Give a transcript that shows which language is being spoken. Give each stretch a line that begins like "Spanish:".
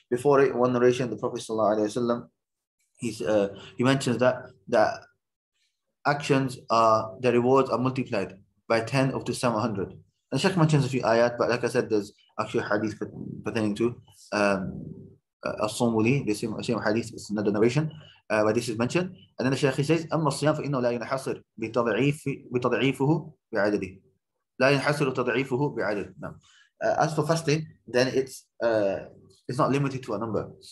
English: Before it, one narration, the Prophet
Arabic: صلى الله عليه وسلم,
English: he mentions that that actions are, the rewards are multiplied by 10 up to 700. And the Sheikh mentions a few ayat, but like I said, there's actually a hadith pertaining to
Arabic: الصوم لي,
English: the same hadith, it's another narration, but this is mentioned. And then the Sheikh says,
Arabic: أما الصيام فإنه لا ينحصر بتضعيفه بعدده. لا ينحصر تضعيفه بعدد. نعم.
English: As for fasting, then it's not limited to a number.